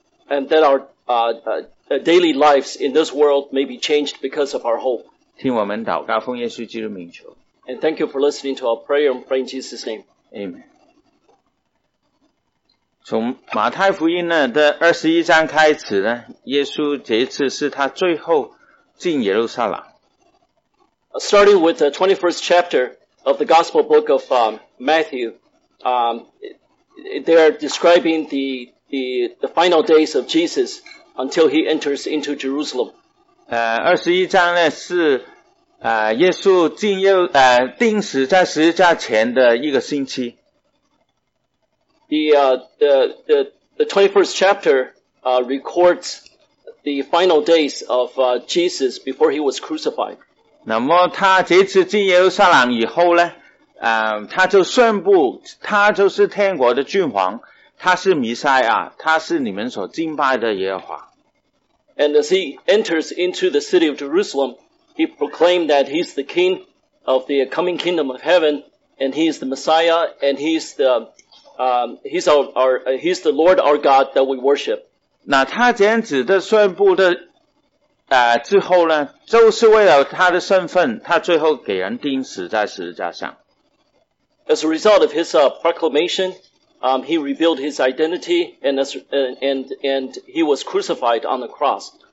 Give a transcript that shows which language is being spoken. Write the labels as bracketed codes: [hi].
[en] And that our daily lives in this world may be changed because of our hope. [zh] 听我们祷告，奉耶稣基督名求。 [en] And thank you for listening to our prayer and praying in Jesus' name. Amen. [zh] 从马太福音呢的21开始呢，耶稣这一次是他最后进耶路撒冷。 [en] Starting with the 21st chapter,of the Gospel book of Matthew, they are describing the final days of Jesus until he enters into Jerusalem. [zh] 21呢是耶稣进耶钉死在十字架前的一个星期。 [en] The 21st chapter records the final days of Jesus before he was crucified. [zh] 那么他这次进耶路撒冷以后呢他就宣布他就是天国的君王，他是弥赛亚，他是你们所敬拜的耶和华。 [en] And as he enters into the city of Jerusalem, he proclaimed that he is the king of the coming kingdom of heaven, and he is the Messiah, and he is the Lord our God that we worship. [zh] 那他这样子的宣布的之后呢，就是为了他的身份，他最后给人钉死在十字架上。 [en] As a result of his proclamation, he revealed his identity and he was crucified on the cross.